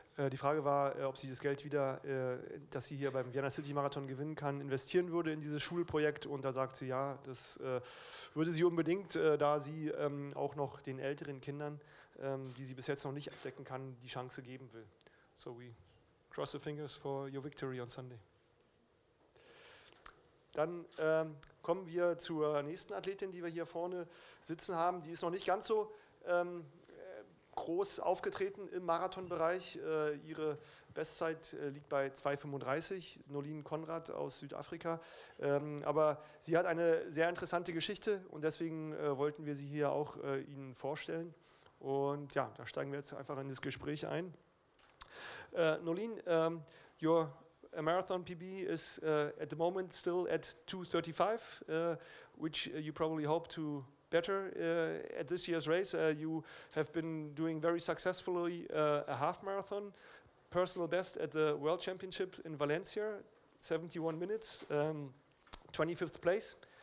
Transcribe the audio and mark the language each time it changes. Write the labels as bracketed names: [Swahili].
[German] Die Frage war, ob sie das Geld wieder, das sie hier beim Vienna City Marathon gewinnen kann, investieren würde in dieses Schulprojekt. Und da sagt sie ja, das würde sie unbedingt, da sie auch noch den älteren Kindern, die sie bis jetzt noch nicht abdecken kann, die Chance geben will. [English] So we cross the fingers for your victory on Sunday. [German] Dann kommen wir zur nächsten Athletin, die wir hier vorne sitzen haben. Die ist noch nicht ganz so groß aufgetreten im Marathonbereich. Ihre Bestzeit liegt bei 2:35, Nolien Conrad aus Südafrika. Aber sie hat eine sehr interessante Geschichte und deswegen wollten wir sie hier auch Ihnen vorstellen. Und ja, da steigen wir jetzt einfach in das Gespräch ein. [English] Nolien, your A marathon PB is at the moment still at 2:35, which you probably hope to better at this year's race. You have been doing very successfully a half marathon, personal best at the World Championship in Valencia, 71 minutes, 25th place.